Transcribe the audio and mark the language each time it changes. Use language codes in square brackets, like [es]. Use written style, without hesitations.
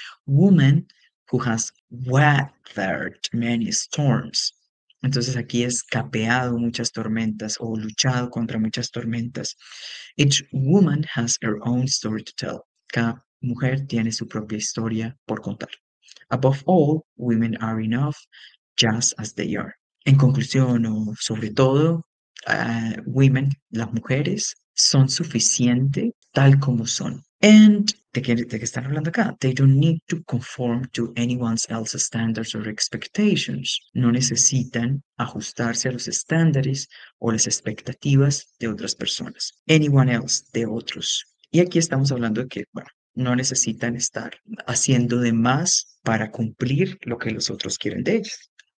[en] Woman who has weathered many storms. [es] Entonces aquí es capeado muchas tormentas o luchado contra muchas tormentas. [en] Each woman has her own story to tell. Cada mujer tiene su propia historia por contar. Above all, women are enough just as they are. [es] En conclusión, o sobre todo, women, las mujeres son suficientes tal como son. And de qué están hablando acá? [en] They don't need to conform to anyone else's standards or expectations. [es] No necesitan ajustarse a los estándares o las expectativas de otras personas. Anyone else, de otros. Y aquí estamos hablando de que, bueno, no necesitan estar haciendo de más para cumplir lo que los otros quieren de ellos.